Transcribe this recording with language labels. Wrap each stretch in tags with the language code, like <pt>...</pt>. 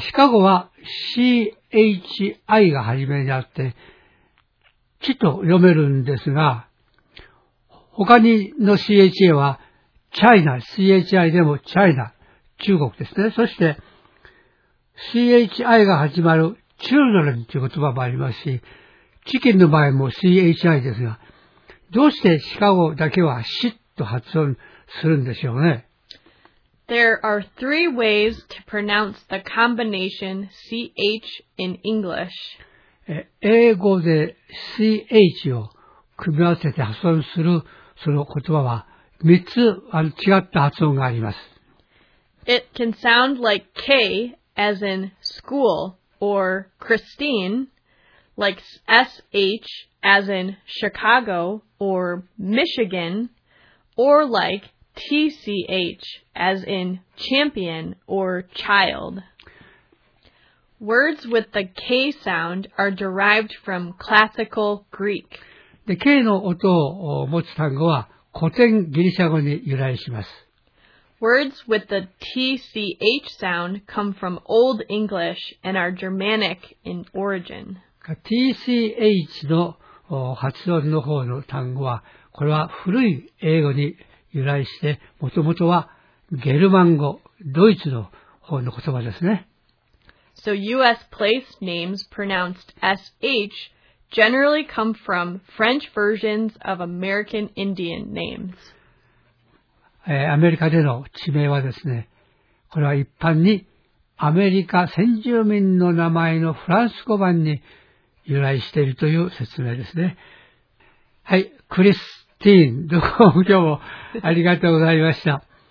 <ja>シカゴは CHI が始めにあって、チと読めるんですが、他にの CHA はチャイナ、CHI でもチャイナ、中国ですね。そして CHI が始まるチュードレンという言葉もありますし、チキンの場合も CHI ですが、どうしてシカゴだけはシッと発音するんでしょうね。</ja> <en>There are three ways to pronounce the combination CH in English.</en> <ja>英語で CH を組み合わせて発音するその言葉は3つ違った発音があります。</ja> <en>It can sound like K as in school or Christine, like SH as in Chicago or Michigan, or likeTCH, as in champion or child. Words with the K sound are derived from classical Greek.</en> <ja>で、K の音を持つ単語は古典ギリシャ語に由来します。</ja> <en>Words with the TCH sound come from Old English and are Germanic in origin.</en> <ja>TCH の発音の方の単語は、これは古い英語に由来して、もともとはゲルマン語、ドイツの方の言葉ですね。</ja> <en>So U.S. place names pronounced SH generally come from French versions of American Indian names.</en> <ja>アメリカでの地名はですね、これは一般にアメリカ先住民の名前のフランス語版に由来しているという説明ですね。はい、クリス。ティーン、どうも今日もありがとうございました。</ja>